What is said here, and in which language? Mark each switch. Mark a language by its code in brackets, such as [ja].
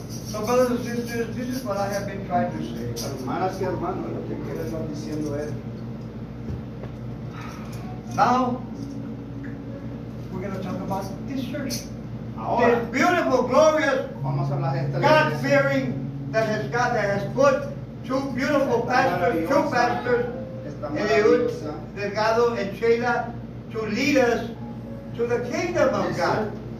[en] So, brothers and sisters, this is what I have been trying to say. [es] Hermanas y hermanos, lo que quiero estar diciendo es. [en] Now, we're going to talk about this church. [es] Ahora, [en] this beautiful, glorious, [es] vamos a hablar de esta [en] God-fearing that has God that has put two beautiful pastors, two pastors. Eliud, Delgado, and Sheila to lead us to the kingdom of God.